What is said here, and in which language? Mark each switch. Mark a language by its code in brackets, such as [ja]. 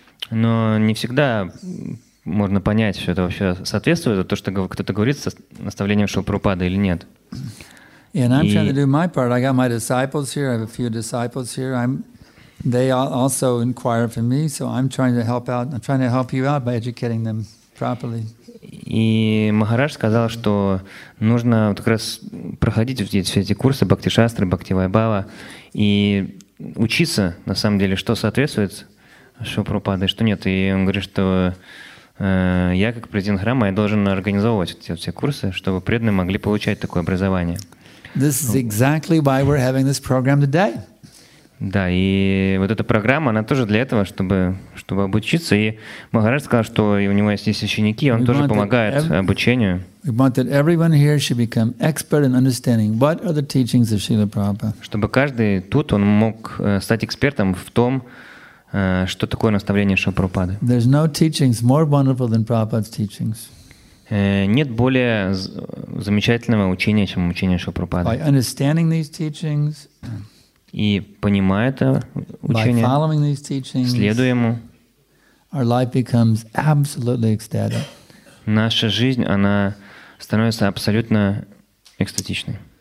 [ru] Но не всегда можно понять, что это вообще соответствует то, что кто-то говорит с наставлением Шрилы Прабхупады или нет. [en] And I'm trying to do my part. I got my disciples here. I have a few disciples here. They also inquire for me, so I'm trying to help out. I'm trying to help you out by educating them properly. [ru] И Махарадж сказал, что нужно вот как раз проходить все эти курсы Бхакти-шастры, Бхакти-вайбава и учиться, на самом деле, что соответствует Шрилы Прабхупаде, что нет. И он говорит, что я, как президент храма, я должен организовывать эти все курсы, чтобы преданные могли получать такое образование. [en] This is exactly why we're having this program today. [ru] Да, и вот эта программа, она тоже для этого, чтобы обучиться. И Махарадж сказал, что у него есть ученики, он тоже помогает обучению. [en] We want that everyone here should become expert in understanding what are the teachings of Srila Prabhupada. [ru] Чтобы каждый тут он мог стать экспертом в том, что такое наставление Шрилы Прабхупады. [en] There's no teachings more wonderful than Prabhupada's teachings. [ru] Нет более замечательного учения, чем учение Шрилы Прабхупады. [en] By understanding these teachings. [ru] И понимая это учение, [en] by following these teachings, [ru] следуя ему, [en] our life becomes absolutely ecstatic. [ru] Наша жизнь, она становится абсолютно экстатичной.